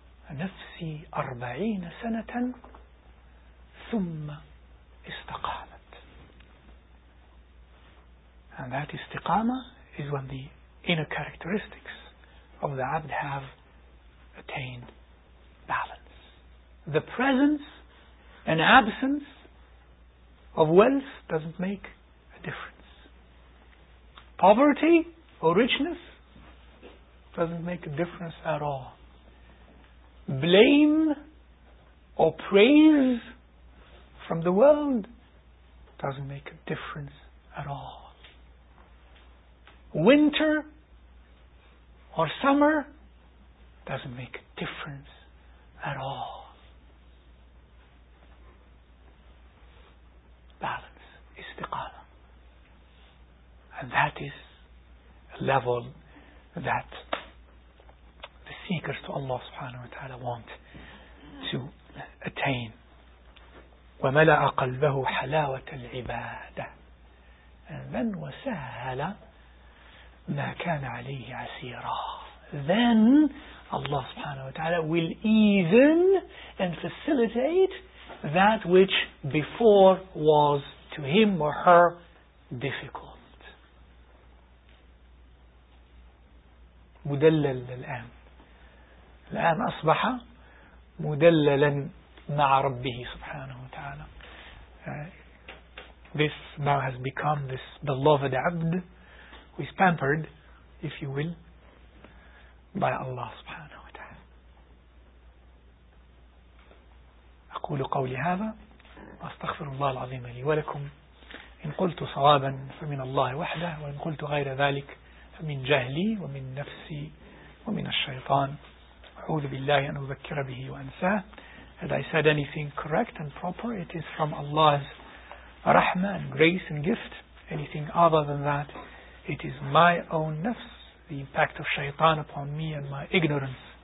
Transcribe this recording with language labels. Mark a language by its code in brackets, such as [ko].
[ar] نفسي أربعين سنة ثم استقامت. [en] And that istiqama is when the inner characteristics of the abd have attained balance. The presence and absence of wealth doesn't make a difference. Poverty or richness doesn't make a difference at all. Blame or praise from the world doesn't make a difference at all. Winter or summer doesn't make a difference at all. Balance, istiqama. And that is a level that seekers to Allah subhanahu wa ta'ala want to attain. [ar] وَمَلَأَ قَلْبَهُ حَلَاوَةَ الْعِبَادَةِ. [en] And then [ar] وَسَهَلَ مَا كَانَ عَلَيْهِ عَسِيرًا. [en] Then Allah subhanahu wa ta'ala will ease and facilitate that which before was to him or her difficult. [ar] مُدَلَّلَ الْآنِ. الآن أصبح مدللا مع ربه سبحانه وتعالى. [en] This now has become this beloved abd who is pampered, if you will, by Allah سبحانه وتعالى. [ar] أقول قولي هذا وأستغفر الله العظيم لي ولكم. إن قلت صوابا فمن الله وحده، وإن قلت غير ذلك فمن جهلي ومن نفسي ومن الشيطان. أعوذ بالله أن أذكر به وأنساه. [en] Had I said anything correct and proper, it is from Allah's rahmah and grace and gift. Anything other than that, it is my own nafs, the impact of shaitan upon me and my ignorance.